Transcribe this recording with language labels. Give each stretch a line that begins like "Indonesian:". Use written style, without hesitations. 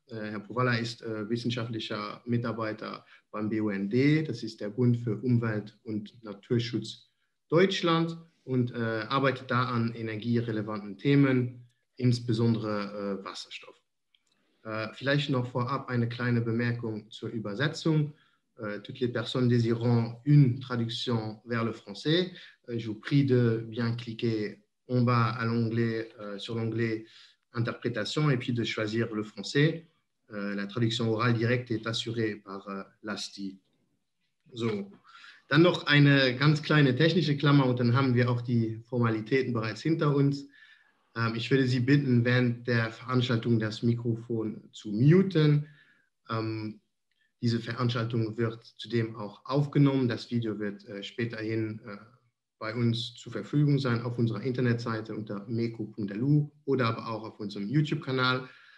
German: Herr Puvalla ist wissenschaftlicher Mitarbeiter beim BUND, das ist der Bund für Umwelt- und Naturschutz Deutschland, und arbeitet da an energierelevanten Themen, insbesondere Wasserstoff. Vielleicht noch vorab eine kleine Bemerkung zur Übersetzung.
French: Toutes les personnes désirant une traduction vers le français, je vous prie de bien cliquer en bas à l'onglet, sur l'onglet Interprétation, et puis de choisir le français. La traduction orale directe est assurée par l'ASTI.
German: So, dann noch eine ganz kleine technische Klammer, und dann haben wir auch die Formalitäten bereits hinter uns. Ich würde Sie bitten, während der Veranstaltung das Mikrofon zu muten. Diese Veranstaltung wird zudem auch aufgenommen. Das Video wird späterhin bei uns zur Verfügung sein, auf unserer Internetseite unter meco.lu oder aber auch auf unserem YouTube-Kanal.